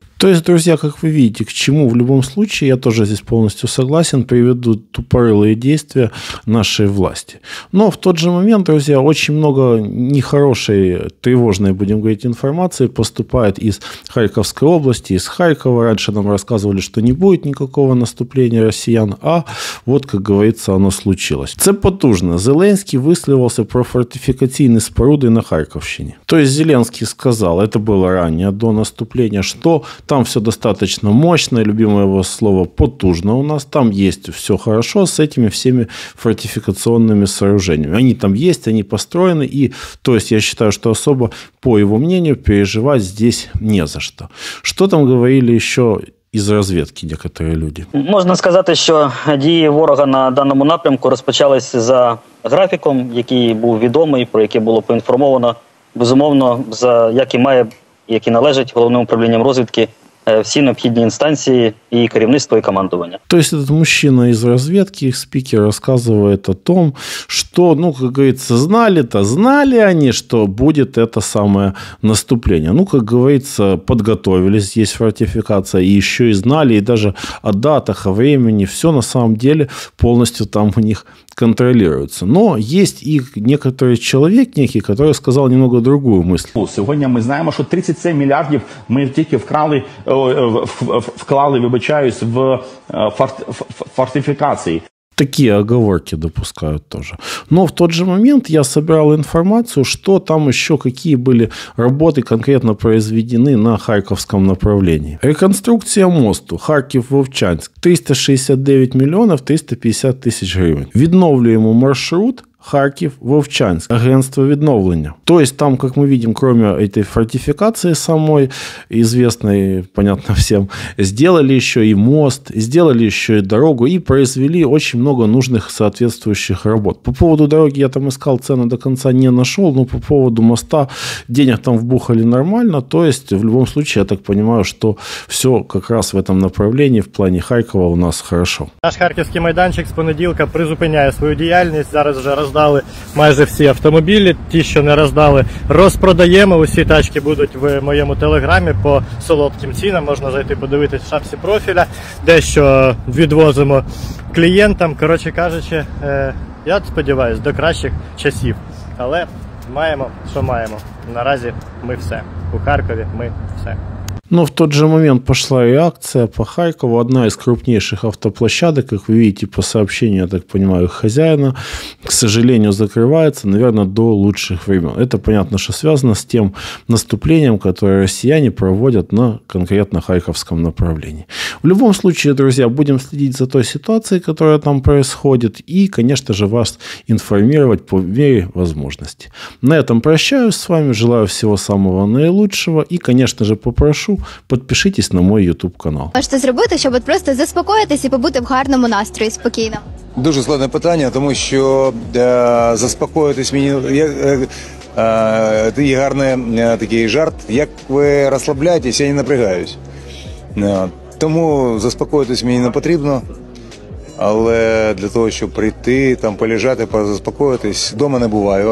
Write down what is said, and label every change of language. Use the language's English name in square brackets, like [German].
[Ukrainian] Тобто, друзі, як ви бачите, к чому в будь-якому випадку, я теж тут повністю согласен, приведу тупорилі дії нашої влади. Але в той же момент, друзі, дуже багато нехорошої, тривожної, будемо говорити, інформації [Russian] поступает из Харьковской области, из Харькова. Раньше нам рассказывали, что не будет никакого наступления россиян, а вот, как говорится, оно случилось. [Ukrainian] Це потужно. [Russian] Зеленский высливался про фортификационные споруды на Харьковщине. То есть Зеленский сказал, это было ранее, до наступления, что там все достаточно мощно, любимое его слово, потужно у нас, там есть все хорошо с этими всеми фортификационными сооружениями. Они там есть, они построены, и, то есть, я считаю, что особо, по его мнению, переживают здесь не за что. Что там говорили еще [Ukrainian] із розвідки деякі люди? Можна сказати, що дії ворога на даному напрямку розпочались за графіком, який був відомий, про який було поінформовано, безумовно, за як і має, як і належить головним управлінням розвідки, всі необхідні інстанції и керівництво, и командование. [Russian] То есть этот мужчина из разведки, их спикер, рассказывает о том, что, ну, как говорится, знали-то, знали они, что будет это самое наступление. Ну, как говорится, подготовились, есть фортификация, и еще и знали, и даже о датах, о времени, все на самом деле полностью там у них контролируется. Но есть и некоторый человек некий, который сказал немного другую мысль. [Ukrainian] Сьогодні ми знаємо, що 37 мільярдів ми тільки вкрали, вклали, вибачаюсь, в фортифікації. [Russian] Такие оговорки допускают тоже. Но в тот же момент я собирал информацию, что там еще, какие были работы конкретно произведены на Харьковском направлении. Реконструкция мосту Харьков-Вовчанск 369 миллионов 350 тысяч гривен. [Ukrainian] Відновлюємо маршрут Харьков-Вовчанск, агентство відновлення. [Russian] То есть там, как мы видим, кроме этой фортификации самой известной, понятно всем, сделали еще и мост, сделали еще и дорогу и произвели очень много нужных соответствующих работ. По поводу дороги я там искал, цены до конца не нашел, но по поводу моста денег там вбухали нормально. То есть в любом случае, я так понимаю, что все как раз в этом направлении в плане Харькова у нас хорошо. Наш харьковский майданчик с понеделька призупиняет свою деятельность, [Ukrainian] зараз же роздали майже всі автомобілі, ті, що не роздали, розпродаємо, усі тачки будуть в моєму телеграмі по солодким цінам, можна зайти подивитись в шапці профіля, дещо відвозимо клієнтам, коротше кажучи, я сподіваюся, до кращих часів, але маємо, що маємо, наразі ми все, у Харкові ми все. [Russian] Но в тот же момент пошла реакция по Харькову. Одна из крупнейших автоплощадок, как вы видите по сообщению, я так понимаю, хозяина, к сожалению, закрывается, наверное, до лучших времен. Это понятно, что связано с тем наступлением, которое россияне проводят на конкретно харьковском направлении. В любом случае, друзья, будем следить за той ситуацией, которая там происходит, и, конечно же, вас информировать по мере возможности. На этом прощаюсь с вами, желаю всего самого наилучшего и, конечно же, попрошу подпишитесь на мой YouTube-канал. [Ukrainian] Можете зробити, щоб просто заспокоїтись і побути в гарному настрої, спокійно? Дуже складне питання, тому що заспокоїтись мені... Це гарний такий жарт. Як ви розслабляєтесь, я не напрягаюсь. Тому заспокоїтись мені не потрібно. Але для того, щоб прийти, там полежати, позаспокоїтись, вдома не буваю.